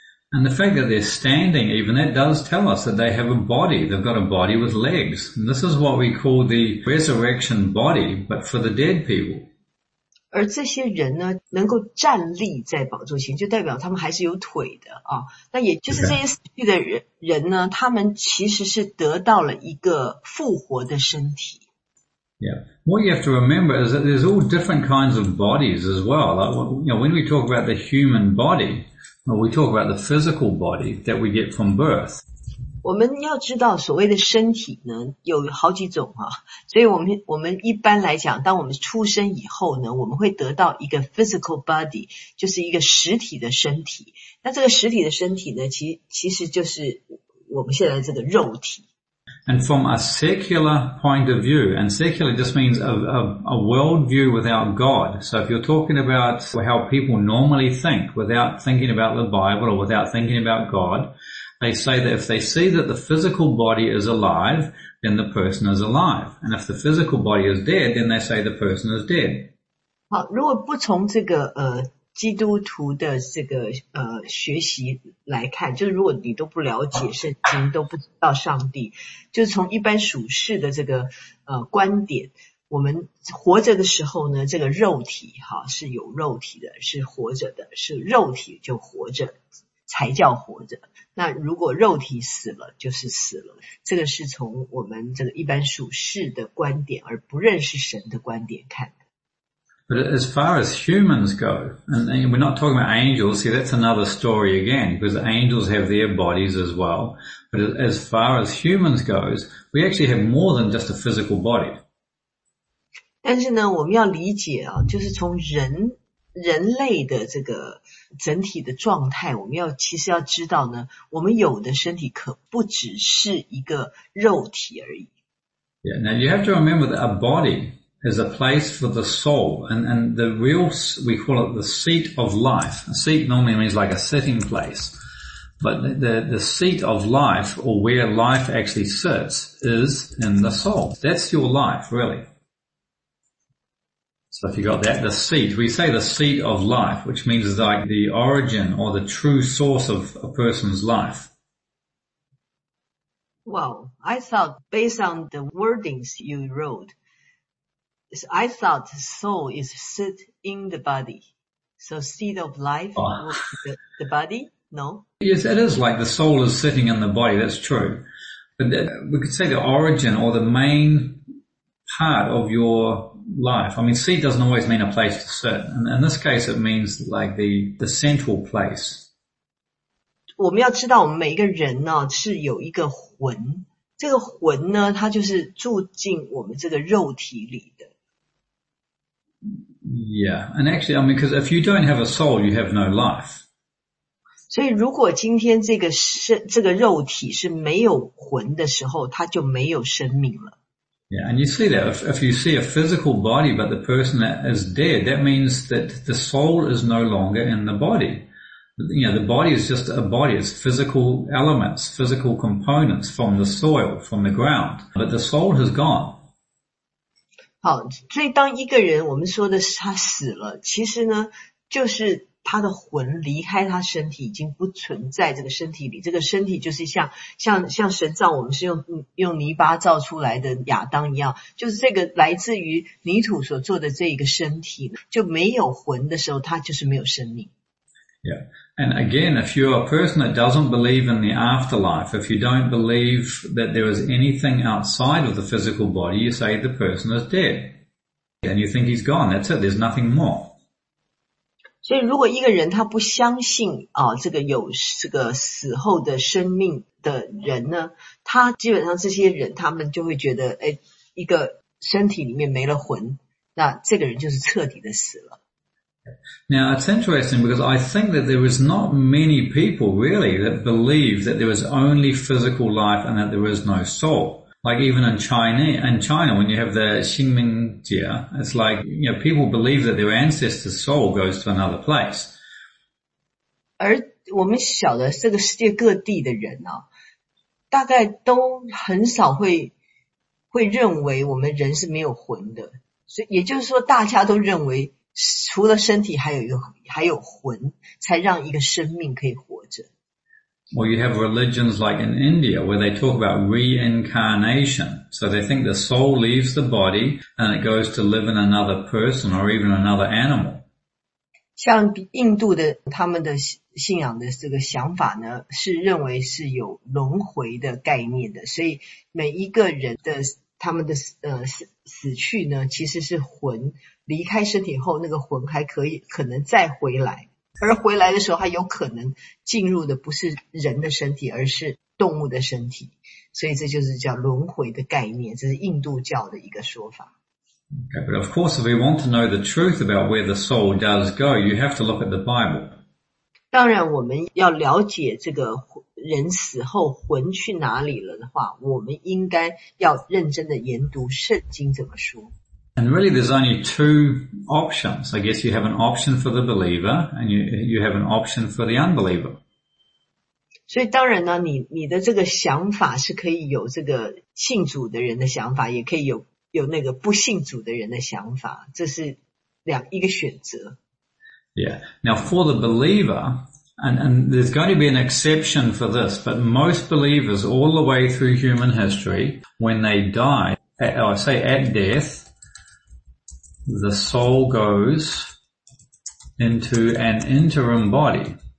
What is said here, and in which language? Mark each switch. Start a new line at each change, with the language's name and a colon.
English: And the fact that they're standing, even that does tell us that they have a body. They've got a body with legs. And this is what we call the resurrection body, but for the dead people.
Chinese: 而这些人呢，能够站立在宝座前，就代表他们还是有腿的啊。那也就是这些死去的人呢，他们其实是得到了一个复活的身体。
English: Yeah. What you have to remember is that there's all different kinds of bodies as well. Like, you know, when we talk about the human body, well, we talk about the physical body that we get from birth.
Chinese: 我们要知道所谓的身体呢有好几种啊。所以我们一般来讲，当我们出生以后呢，我们会得到一个
English: physical body,
Chinese: 就是一个实体的身体。那这个实体的身体呢，其实就是我们现在这个肉体。
English: And from a secular point of view, and secular just means a world view without God. So if you're talking about how people normally think without thinking about the Bible or without thinking about God, they say that if they see that the physical body is alive, then the person is alive. And if the physical body is dead, then they say the person is dead.
Chinese: 好，如果不从这个基督徒的这个学习来看，就是如果你都不了解圣经，都不知道上帝，就是从一般属世的这个观点，我们活着的时候呢，这个肉体哈是有肉体的，是活着的，是肉体就活着才叫活着。那如果肉体死了，就是死了。这个是从我们这个一般属世的观点，而不认识神的观点看。
English: But as far as humans go, and we're not talking about angels, see that's another story again, because angels have their bodies as well. But as far as humans goes, we actually have more than just a physical body.
Chinese: 但是呢，我们要理解啊，就是从人类的这个整体的状态，我们要其实要知道呢，我们有的身体可不只是一个肉体而已。
English: Yeah, now you have to remember that a body,is a place for the soul, and the real, we call it the seat of life. A seat normally means like a sitting place, but the seat of life, or where life actually sits, is in the soul. That's your life, really. So if you got that, the seat, we say the seat of life, which means like the origin or the true source of a person's life. Well, I thought based on the wordings you wrote,I thought soul is sit in the body. So seat of life,the body? No? Yes, it is like the soul is sitting in the body, that's true. But we could say the origin or the main part of your life. I mean, seat doesn't always mean a place to sit. And in this case, it means like the central place.
Chinese: 我们要知道我们每一个人呢是有一个魂。这个魂呢它就是住进我们这个肉体里。
English: Yeah, and actually, I mean, because if you don't have a soul, you have no life.
Chinese: 所以如果今天这个肉体是没有魂的时候，它就没有生命了。
English: Yeah, and you see that if you see a physical body, but the person that is dead, that means that the soul is no longer in the body. You know, the body is just a body. It's physical elements, physical components from the soil, from the ground. But the soul has gone.
Chinese: 好，所以当一个人，我们说的是他死了，其实呢，就是他的魂离开他身体，已经不存在这个身体里。这个身体就是像神造，我们是用泥巴造出来的亚当一样，就是这个来自于泥土所做的这一个身体，就没有魂的时候，他就是没有生命。
English: Yeah, and again, if you're a person that doesn't believe in the afterlife, if you don't believe that there is anything outside of the physical body, you say the person is dead. And you think he's gone, that's it, there's nothing more.
Chinese: 所以如果一个人他不相信啊，这个有这个死后的生命的人呢，他基本上这些人他们就会觉得，哎，一个身体里面没了魂，那这个人就是彻底的死了。
English: Now, it's interesting because I think that there is not many people really that believe that there is only physical life and that there is no soul. Like even in China, when you have the Xingming Jia, it's like, you know, people believe that their ancestor's soul goes to another place.
Chinese: 而我们晓得这个世界各地的人啊，大概都很少会认为我们人是没有魂的。所以也就是说大家都认为除了身体还有魂才让一个生命可以活着。
English: Well, you have religions like in India where they talk about reincarnation. So they think the soul leaves the body and it goes to live in another person or even another animal.
Chinese: 像印度的他们的信仰的这个想法呢是认为是有轮回的概念的。所以每一个人的他们的死去呢其实是魂离开身体后那个魂还可以可能再回来而回来的时候还有可能进入的不是人的身体而是动物的身体所以这就是叫轮回的概念这是印度教的一个说法
English: Okay, but of course if we want to know the truth about where the soul does go you have to look at the Bible
Chinese: 当然我们要了解这个人死后魂去哪里了的话我们应该要认真的研读圣经怎么说
English: And really there's only two options. I guess you have an option for the believer and you have an option for the unbeliever.
Chinese: 所以当然呢 你的这个想法是可以有这个信主的人的想法也可以有那个不信主的人的想法这是一个选择。
English: Yeah. Now for the believer,And there's going to be an exception for this, but most believers all the way through human history, when they die, at death, the soul goes into an interim body.